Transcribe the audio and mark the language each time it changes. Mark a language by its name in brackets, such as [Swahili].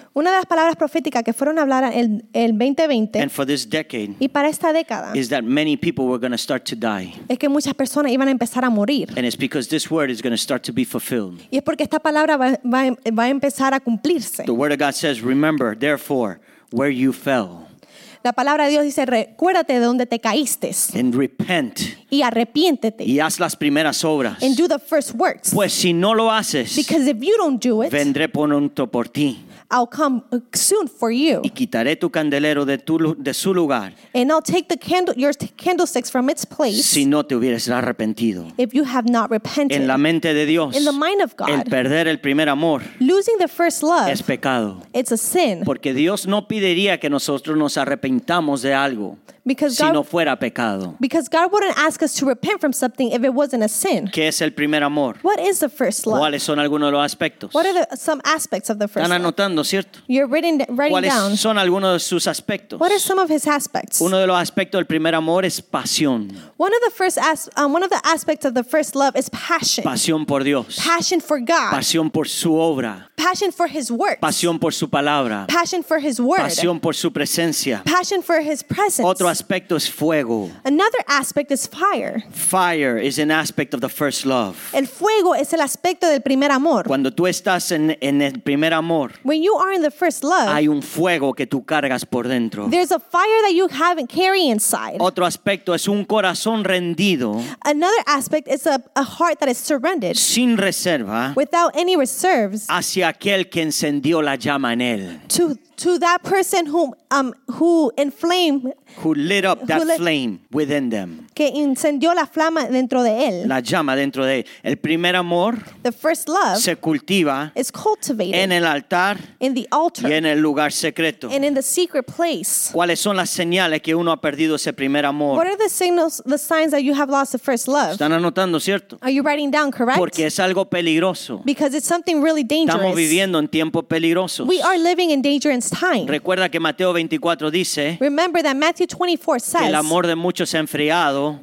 [Spanish] Una de las palabras proféticas que fueron habladas en el 2020. [English] And for this decade. [Spanish] Y para esta década. [English] Is that many people were going to start to die. [Spanish] Es que muchas personas iban a empezar a morir. [English] And it's because this word is going to start to be fulfilled. [Spanish] Y es porque esta palabra va a empezar a cumplirse. [English] The word of God says, remember, therefore, where you fell. [Spanish] La palabra de Dios dice, recuérdate de donde te caíste. [English] And repent. [Spanish] Y arrepiéntete. Y haz las primeras obras. [English] And do the first works. [Spanish] Pues si no lo haces. [English] Because if you don't do it. [Spanish] Vendré pronto por ti. [English] I'll come soon for you. [Spanish] Y quitaré tu candelero de su lugar. [English] And I'll take the candle, your candlesticks from its place. [Spanish] Si no te hubieras arrepentido. [English] If you have not repented. [Spanish] En la mente de Dios. [English] In the mind of God. [Spanish] El perder el primer amor. [English] Losing the first love. [Spanish] Es pecado. [English] It's a sin. [Spanish] Porque Dios no pediría que nosotros nos arrepintamos de algo. [English] Because [Spanish] si no fuera pecado. [English] Because God wouldn't ask us to repent from something if it wasn't a sin. [Spanish] ¿Qué es el primer amor? [English] What is the first love? [Spanish] ¿Cuáles son algunos de los aspectos? [English] What are some aspects of the first love? [Spanish] Están anotando, ¿cierto? [English] You're writing [Spanish] ¿cuáles [English] down. [Spanish] ¿Cuáles son algunos de sus aspectos? [English] What are some of his aspects? [Spanish] Uno de los aspectos del primer amor es pasión. [English] One of the first one of the aspects of the first love is passion. [Spanish] Pasión por Dios. [English] Passion for God. [Spanish] Pasión por su obra. [English] Passion for his works. [Spanish] Pasión por su palabra. [English] Passion for his word. [Spanish] Pasión por su presencia. [English] Passion for his presence. [Spanish] Otro aspecto es fuego. [English] Another aspect is fire. Fire is an aspect of the first love. [Spanish] El fuego es el aspecto del primer amor. Cuando tú estás en el primer amor. [English] When you are in the first love. [Spanish] Hay un fuego que tú cargas por dentro. [English] There's a fire that you have and carry inside. [Spanish] Otro aspecto es un corazón rendido. [English] Another aspect is a heart that is surrendered. [Spanish] Sin reserva. [English] Without any reserves. [Spanish] Hacia aquel que encendió la llama en él. [English] To to that person who inflamed, who lit up that flame within them. [Spanish] Que incendió la flama dentro de él. La llama dentro de él. El primer amor, [English] the first love, [Spanish] se cultiva, [English] is cultivated [Spanish] en el altar, [English] in the altar, [Spanish] y en el lugar secreto, [English] and in the secret place. [Spanish] ¿Cuáles son las señales que uno ha perdido ese primer amor? [English] What are the signals, the signs that you have lost the first love? [Spanish] ¿Están anotando, cierto? [English] Are you writing down, correct? [Spanish] Porque es algo peligroso. [English] Because it's something really dangerous. [Spanish] Estamos viviendo en tiempos peligrosos. [English] We are living in dangerous times. [Spanish] Recuerda que Mateo 24 dice, [English] remember that Matthew 24 says, [Spanish] el amor de muchos se ha enfriado,